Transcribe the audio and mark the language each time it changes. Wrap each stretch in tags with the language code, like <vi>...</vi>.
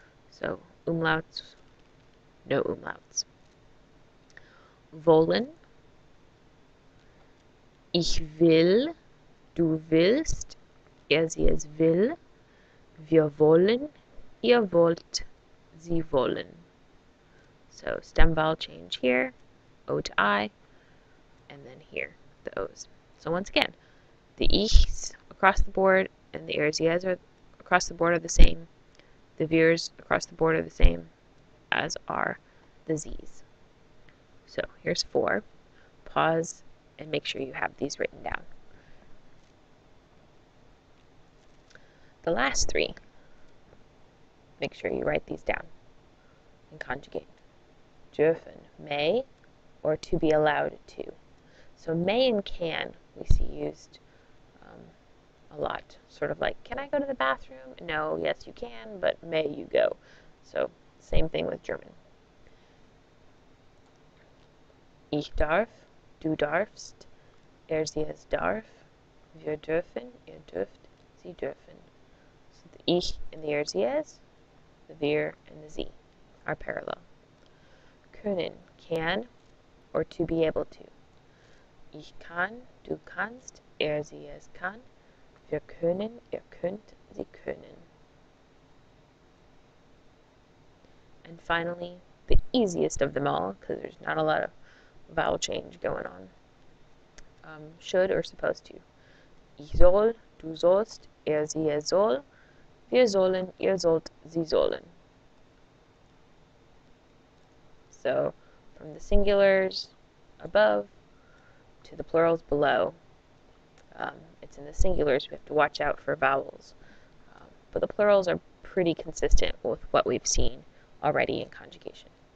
<en>So, umlauts, no umlauts.</en> <de>Wollen, ich will, du willst, sie es will, wir wollen, wollt, sie wollen.</de> <en>So, stem vowel change here, O to I, and then here, the O's. So once again, the ich's across the board and the sie's are across the board are the same, the wir's across the board are the same, as are the z's. So here's four. Pause and make sure you have these written down. The last three, make sure you write these down and conjugate. Dürfen, may, or to be allowed to. So may and can we see used a lot. Sort of like, can I go to the bathroom? No, yes you can, but may you go. So same thing with German.</en> <de>Ich darf, du darfst, sie es darf, wir dürfen, dürft, sie dürfen.</de> <en>So the ich and the sie es, the wir and the sie are parallel.</en> <de>Können,</de> <en>can, or to be able to.</en> <de>Ich kann, du kannst, sie es kann, wir können, könnt, sie können.</de> <en>And finally, the easiest of them all, because there's not a lot of vowel change going on. Should or supposed to.</en> <de>Ich soll, du sollst, sie soll, wir sollen, sollt, sie sollen.</de> <en>So, from the singulars above to the plurals below, it's in the singulars we have to watch out for vowels. But the plurals are pretty consistent with what we've seen already in conjugation.</en>